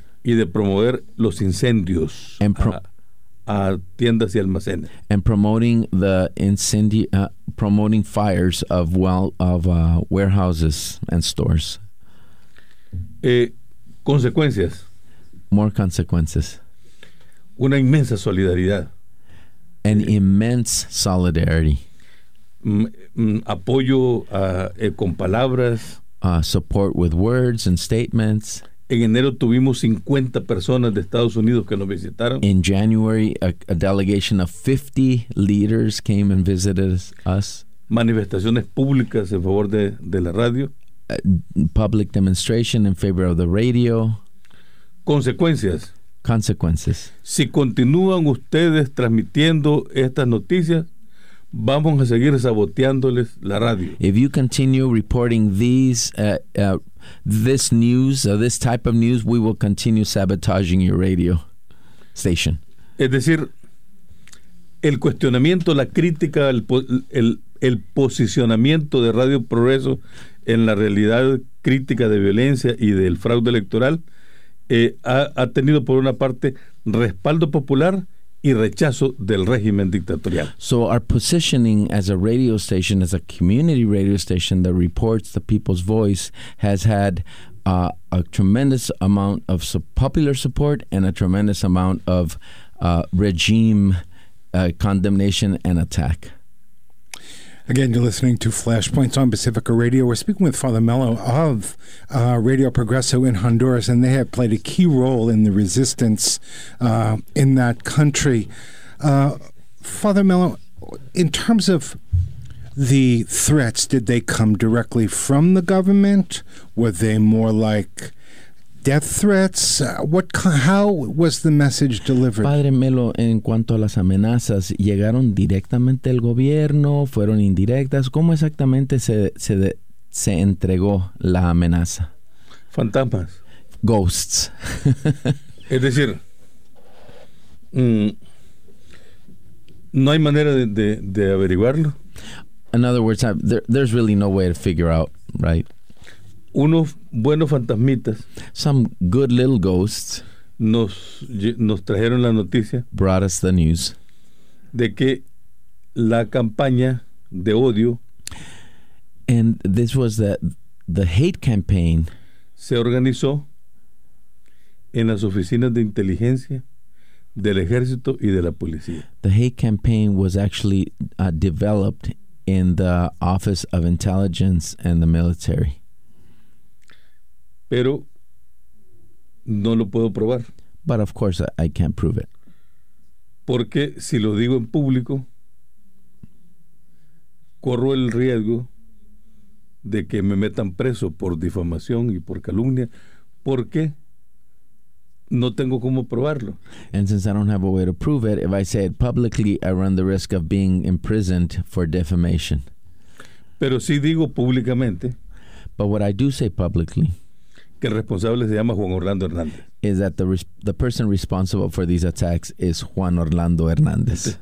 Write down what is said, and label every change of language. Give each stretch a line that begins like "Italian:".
Spanish: Y de promover los incendios a tiendas y almacenes.
English: And promoting the promoting fires of warehouses and stores.
Spanish: Consecuencias.
English: More consequences.
Spanish: Una inmensa solidaridad.
English: An immense solidarity.
Spanish: Apoyo con palabras.
English: Support with words and statements.
Spanish: En enero tuvimos 50 personas de Estados Unidos que nos visitaron.
English: In January, a delegation of 50 leaders came and visited us.
Spanish: Manifestaciones públicas en favor de la radio.
English: Public demonstration in favor of the radio.
Spanish: Consecuencias.
English: Consequences.
Spanish: Si continúan ustedes transmitiendo estas noticias, vamos a seguir saboteándoles la radio.
English: If you continue reporting these this news, this type of news, we will continue sabotaging your radio station.
Spanish: Es decir, el cuestionamiento, la crítica, el posicionamiento de Radio Progreso en la realidad crítica de violencia y del fraude electoral ha tenido por una parte respaldo popular y rechazo del régimen dictatorial.
English: So our positioning as a radio station, as a community radio station that reports the people's voice, has had a tremendous amount of popular support and a tremendous amount of regime condemnation and attack. Again, you're listening to Flashpoints on Pacifica Radio. We're speaking with Father Mello of Radio Progreso in Honduras, and they have played a key role in the resistance in that country. Father Mello, in terms of the threats, did they come directly from the government? Were they more like death threats? How was the message delivered?
Spanish: Padre Melo, en cuanto a las amenazas, ¿llegaron directamente al gobierno? ¿Fueron indirectas? ¿Cómo exactamente se entregó la amenaza? Fantasmas.
English: Ghosts.
Spanish: Es decir, no hay manera de averiguarlo.
English: In other words, there's really no way to figure out, right?
Spanish: Unos buenos fantasmitas.
English: Some good little ghosts.
Spanish: Nos trajeron la noticia.
English: Brought us the news.
Spanish: De que la campaña de odio.
English: And this was the hate campaign.
Spanish: Se organizó en las oficinas de inteligencia del ejército y de la policía.
English: The hate campaign was actually developed in the Office of Intelligence and the military.
Spanish: Pero no lo puedo probar.
English: But of course I can't prove it.
Spanish: Porque si lo digo en público, corro el riesgo de que me metan preso por difamación y por calumnia. ¿Por qué? No tengo cómo probarlo.
English: And since I don't have a way to prove it, if I say it publicly, I run the risk of being imprisoned for defamation.
Spanish: Pero sí digo públicamente.
English: But what I do say publicly.
Spanish: Que el responsable se llama Juan Orlando Hernández.
English: Is that the person responsible for these attacks is Juan Orlando Hernández.